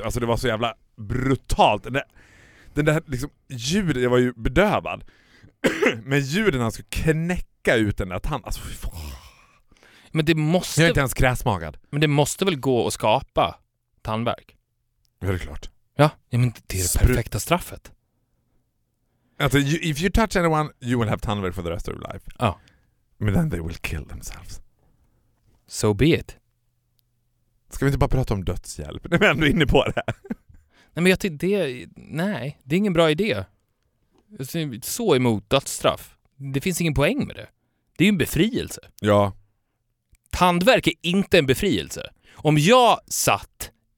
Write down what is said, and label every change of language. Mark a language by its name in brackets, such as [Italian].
[Swedish] Alltså det var så jävla brutalt. Den där liksom ljudet, jag var ju bedövad. Men ljuden han skulle knäcka ut den där tanden. Alltså fy fan. Men det måste... Jag är inte ens kräsmagad. Men det måste väl gå att skapa tandvärk? Ja, det är klart. Ja, men det är det perfekta straffet. Alltså, [English] if you touch anyone, you will have tandvärk for the rest of your life. [Swedish] Ja. [English] But then they will kill themselves. So be it. [Swedish] Ska vi inte bara prata om dödshjälp? Nu är vi ändå inne på det. Nej, men jag tycker det... Nej, det är ingen bra idé. Jag ser så emot dödsstraff. Det finns ingen poäng med det. Det är ju en befrielse. Ja. Tandvärk är inte en befrielse. Om jag satt